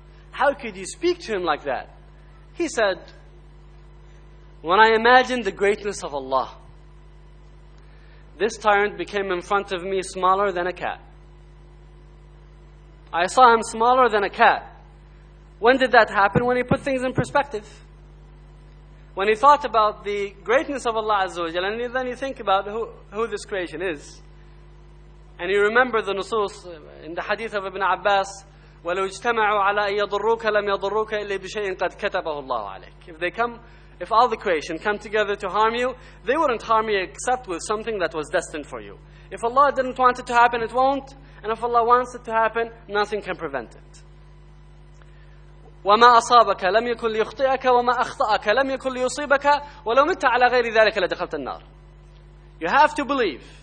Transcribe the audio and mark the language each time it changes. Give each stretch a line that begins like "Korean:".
English: How could you speak to him like that?" He said, "When I imagined the greatness of Allah, this tyrant became in front of me smaller than a cat. I saw him smaller than a cat." When did that happen? When he put things in perspective. When he thought about the greatness of Allah Azza wa Jalla, and then you think about who this creation is. And you remember the nusus in the hadith of Ibn Abbas,
Arabic: وَلَوْ اجْتَمَعُوا عَلَىٰ يَضُرُّكَ لَمْ يَضُرُّكَ إِلَّا بِشَيْءٍ قَدْ كَتَبَهُ اللَّهُ عَلَيْكَ.
English: If all the creation come together to harm you, they wouldn't harm you except with something that was destined for you. If Allah didn't want it to happen, it won't. And if Allah wants it to happen, nothing can prevent it.
Arabic: وَمَا أَصَابَكَ لَمْ يَكُنْ لِيُخْطِئَكَ وَمَا أَخْطَأَكَ لَمْ يَكُنْ لِيُصِيبَكَ وَلَوْ مِتَّ عَلَىٰ غَيْرِ ذَلِكَ لَدَخَلْتَ النَّارَ.
English: You have to believe.